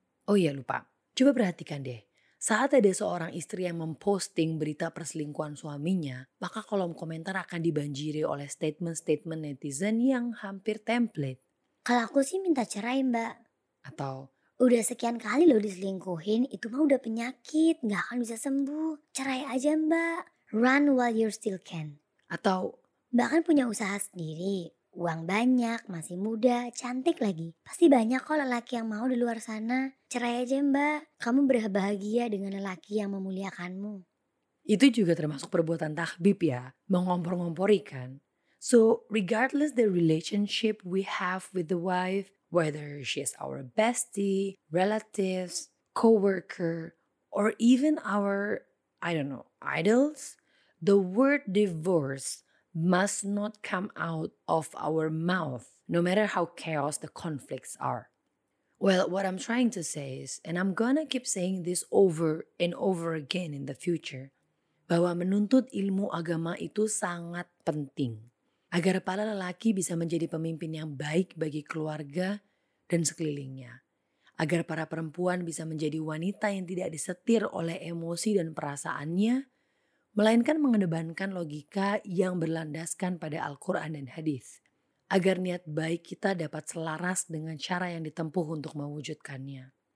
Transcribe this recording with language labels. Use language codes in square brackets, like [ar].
[id] Oh iya lupa, coba perhatikan deh. Saat ada seorang istri yang memposting berita perselingkuhan suaminya, maka kolom komentar akan dibanjiri oleh statement-statement netizen yang hampir template. Kalau aku sih minta cerai mbak. Atau, udah sekian kali lo diselingkuhin, itu mah udah penyakit, gak akan bisa sembuh. Cerai aja mbak, [en] run while you still can. [id] Atau, mbak kan punya usaha sendiri, uang banyak, masih muda, cantik lagi. Pasti banyak kok lelaki yang mau di luar sana. Cerai aja mbak, kamu berbahagia dengan lelaki yang memuliakanmu. Itu juga termasuk perbuatan tahbib ya, mengompor-ngompori kan. [en] So regardless the relationship we have with the wife, whether she is our bestie, relatives, coworker, or even our, I don't know, idols, the word divorce must not come out of our mouth, no matter how chaos the conflicts are. Well, what I'm trying to say is, and I'm gonna keep saying this over and over again in the future, [id] bahwa menuntut ilmu agama itu sangat penting. Agar para lelaki bisa menjadi pemimpin yang baik bagi keluarga dan sekelilingnya. Agar para perempuan bisa menjadi wanita yang tidak disetir oleh emosi dan perasaannya, melainkan mengedepankan logika yang berlandaskan pada Al-Quran dan Hadis, agar niat baik kita dapat selaras dengan cara yang ditempuh untuk mewujudkannya.